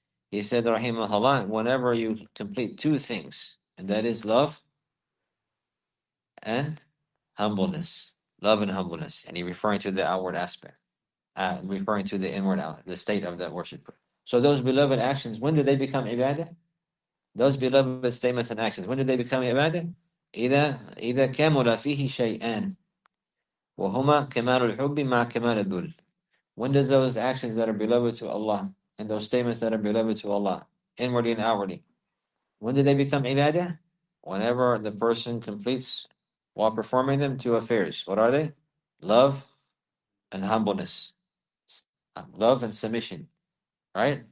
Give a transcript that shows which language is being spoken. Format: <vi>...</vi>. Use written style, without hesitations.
<en>He said, rahimahullah, whenever you complete two things, and that is love and humbleness. Love and humbleness, and he referring to the outward aspect, referring to the inward out, the state of that worshiper. So those beloved actions, when do they become ibadah? Those beloved statements and actions, when do they become ibadah?</en> <ar>إذا كمل فيه شيئان وهما كمال الحب مع كمال الذل.</ar> <en>When does those actions that are beloved to Allah and those statements that are beloved to Allah, inwardly and outwardly, when do they become ibadah? Whenever the person completes while performing them two affairs. What are they? Love and humbleness. Love and submission. Right?</en>